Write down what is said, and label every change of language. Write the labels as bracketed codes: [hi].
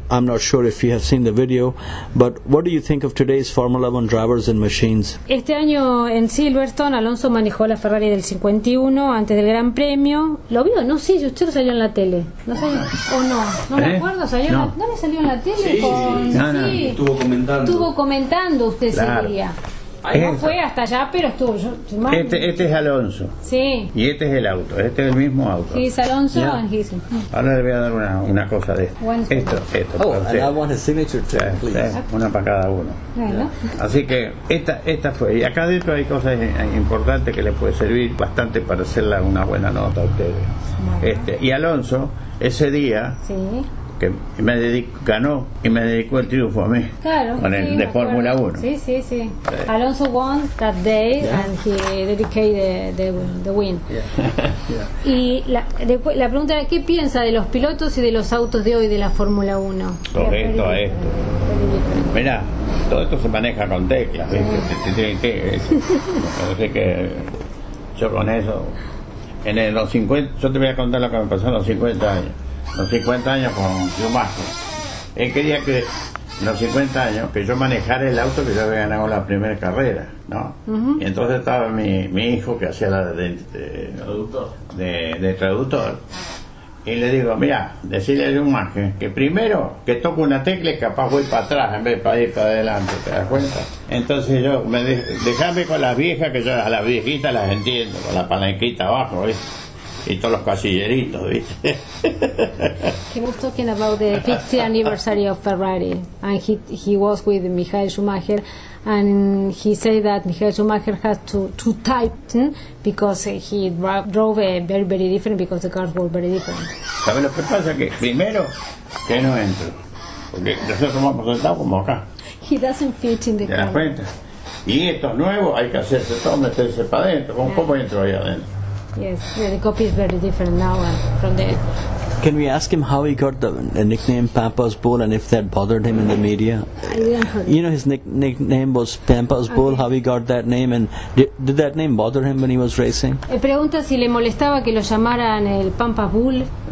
[en] I'm not sure if you have seen the video, but what do you think of today's Formula 1 drivers and machines? [es] Este año en Silverstone, Alonso manejó la Ferrari del 51 antes del Gran Premio. ¿Lo vio? No, sí, usted lo salió en la tele. ¿No me acuerdo? ¿No le salió en la tele? Estuvo comentando usted ese día. No fue hasta allá, pero estuvo. Este es Alonso. Sí. Y este es el auto. Este es el mismo auto. [en] Sí, Alonso. Yeah. And his. [es] Ahora le voy a dar una cosa de esto. Esto. [en] Oh, and I want a signature too, please. [es] Una para cada uno. Bueno. Yeah. Así que esta fue. Y acá dentro hay cosas importantes que le puede servir bastante para hacerle una buena nota a ustedes. Y Alonso, ese día, sí, que me dedico, ganó y me dedicó el triunfo a mí. Claro. Con el, sí, de Fórmula 1. Sí, sí, sí. [en] Alonso won that day, yeah, and he dedicated the win. Yeah. Yeah. [es] Y la pregunta era, ¿qué piensa de los pilotos y de los autos de hoy de la Fórmula 1? Todo esto, a esto. Mirá, todo esto se maneja con teclas, ¿viste? Sí. Tienen que... Así que yo con eso... En los 50, yo te voy a contar lo que me pasó en los 50 años. Los 50 años con Schumacher. Él quería que en los 50 años que yo manejara el auto que yo había ganado la primera carrera, ¿no? Uh-huh. Y entonces estaba mi hijo que hacía la de traductor. Y le digo, mira, decirle a Schumacher que primero que toque una tecla y capaz voy para atrás en vez de para ir para adelante, ¿te das cuenta? Entonces yo, déjame con las viejas, que yo a las viejitas las entiendo, con la palanquita abajo, ¿viste? Y todos los casilleritos, ¿viste? [en] He was talking about the 50th anniversary of Ferrari, and he was with Michael Schumacher, and he said that Michael Schumacher had to tighten because he drove very, very different, because the cars were very different. [es] ¿Sabes lo que pasa? Que primero, que no entro, porque nosotros vamos sentados como acá. [en] He doesn't fit in the car. [es] ¿Te das cuenta? Y esto es nuevo, hay que hacerse todo, meterse para adentro. ¿Cómo entro ahí adentro? [en] Yes, yeah, the copy is very different now from the... Can we ask him how he got the nickname Pampa's Bull, and if that bothered him in the media? You know, his nickname was Pampa's Bull, how he got that name, and did that name bother him when he was racing? [es] Me pregunta si le molestaba que lo llamaran el Pampa's Bull.